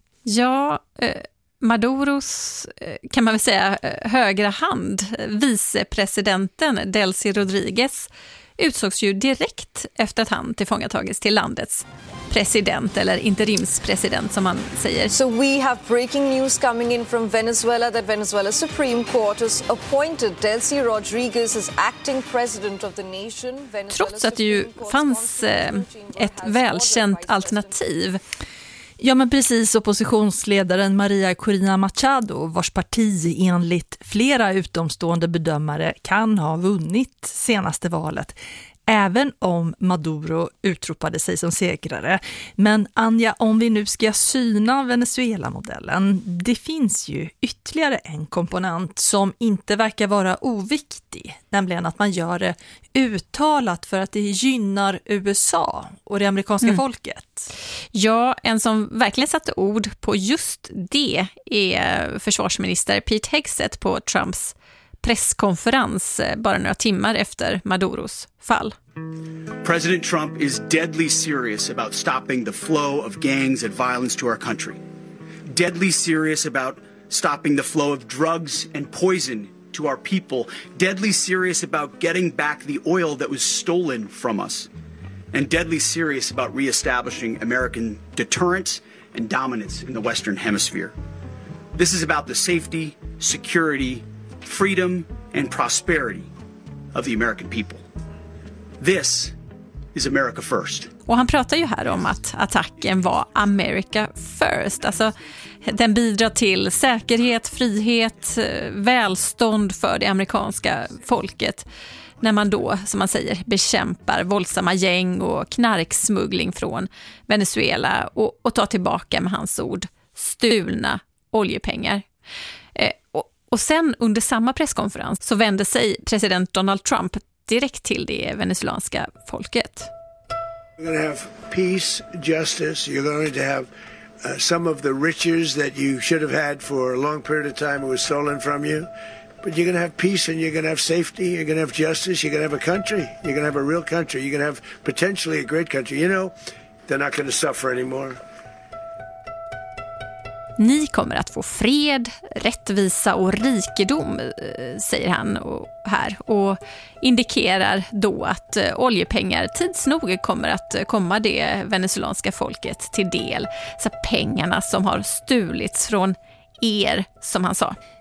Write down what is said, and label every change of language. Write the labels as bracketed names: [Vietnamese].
[Swedish] Ja, Maduros, kan man väl säga, högra hand, vicepresidenten Delcy Rodríguez, utsågs ju direkt efter att han tillfångatagits till landets president, eller interimspresident som man säger. [English] So we have breaking news coming in from Venezuela that Venezuela's Supreme Court has appointed Delcy Rodríguez as acting president of the nation. Venezuela's [Swedish] Trots att det ju fanns ett välkänt alternativ. Ja, men precis, oppositionsledaren Maria Corina Machado, vars parti enligt flera utomstående bedömare kan ha vunnit senaste valet, även om Maduro utropade sig som segrare. Men Anja, om vi nu ska syna Venezuela-modellen, det finns ju ytterligare en komponent som inte verkar vara oviktig, nämligen att man gör det uttalat för att det gynnar USA och det amerikanska folket. Ja, en som verkligen satte ord på just det är försvarsminister Pete Hegseth på Trumps presskonferens bara några timmar efter Maduros fall. [English] President Trump is deadly serious about stopping the flow of gangs and violence to our country. Deadly serious about stopping the flow of drugs and poison to our people. Deadly serious about getting back the oil that was stolen from us. And deadly serious about reestablishing American deterrence and dominance in the Western Hemisphere. This is about the safety, security, freedom and prosperity of the American people. This is America first. [Swedish] Och han pratar ju här om att attacken var [English] America first. [Swedish] Alltså, den bidrar till säkerhet, frihet, välstånd för det amerikanska folket när man då, som man säger, bekämpar våldsamma gäng och knarksmuggling från Venezuela och tar tillbaka, med hans ord, stulna oljepengar. Och sen under samma presskonferens så vände sig president Donald Trump direkt till det venezuelanska folket. [English] You're going to have peace, justice. You're going to have some of the riches that you should have had for a long period of time was stolen from you. But you're going to have peace and you're going to have safety. You're going to have justice. You're going to have a country. You're going to have a real country. You're going to have potentially a great country. You know, they're not going to suffer anymore. [Swedish] Ni kommer att få fred, rättvisa och rikedom, säger han här, och indikerar då att oljepengar tidsnog kommer att komma det venezuelanska folket till del. Så pengarna som har stulits från er, som han sa.